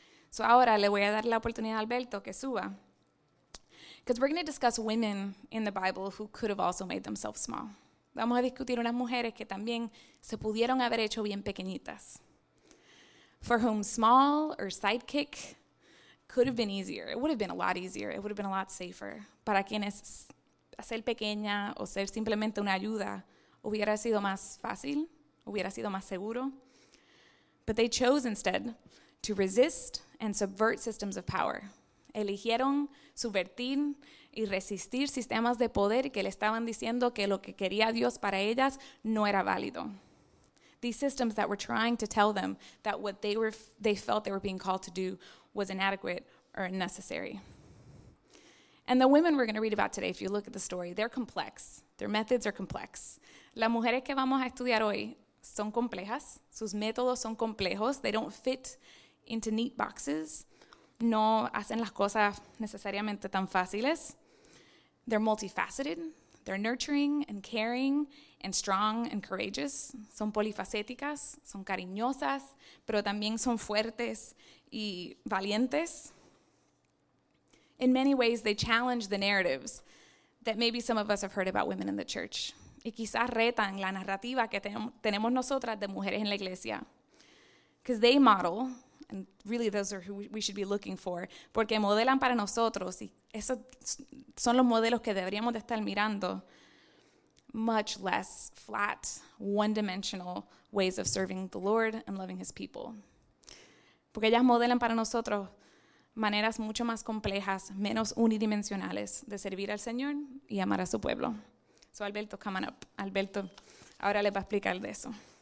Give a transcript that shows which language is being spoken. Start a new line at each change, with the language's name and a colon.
Spanish: So ahora le voy a dar la oportunidad a Alberto que suba.
English: Because we're going to discuss women in the Bible who could have also made themselves small.
Spanish: Vamos a discutir unas mujeres que también se pudieron haber hecho bien pequeñitas.
English: For whom small or sidekick could have been easier. It would have been a lot easier. It would have been a lot safer.
Spanish: Para quienes ser pequeña o ser simplemente una ayuda hubiera sido más fácil, hubiera sido más seguro.
English: But they chose instead to resist and subvert systems of power.
Spanish: Eligieron subvertir y resistir sistemas de poder que le estaban diciendo que lo que quería Dios para ellas no era válido.
English: These systems that were trying to tell them that what they felt they were being called to do was inadequate or unnecessary. And the women we're going to read about today, if you look at the story, they're complex. Their methods are complex.
Spanish: Las mujeres que vamos a estudiar hoy son complejas. Sus métodos son complejos.
English: They don't fit into neat boxes.
Spanish: No hacen las cosas necesariamente tan fáciles.
English: They're multifaceted. They're nurturing and caring and strong and courageous.
Spanish: Son polifacéticas, son cariñosas, pero también son fuertes y valientes.
English: In many ways, they challenge the narratives that maybe some of us have heard about women in the church.
Spanish: Y quizás retan la narrativa que tenemos nosotras de mujeres en la iglesia.
English: Because they model, and really those are who we should be looking for,
Spanish: porque modelan para nosotros, y esos son los modelos que deberíamos de estar mirando,
English: much less flat, one-dimensional ways of serving the Lord and loving his people.
Spanish: Porque ellas modelan para nosotros maneras mucho más complejas, menos unidimensionales de servir al Señor y amar a su pueblo.
English: So Alberto, come on up.
Spanish: Alberto, ahora les va a explicar de eso.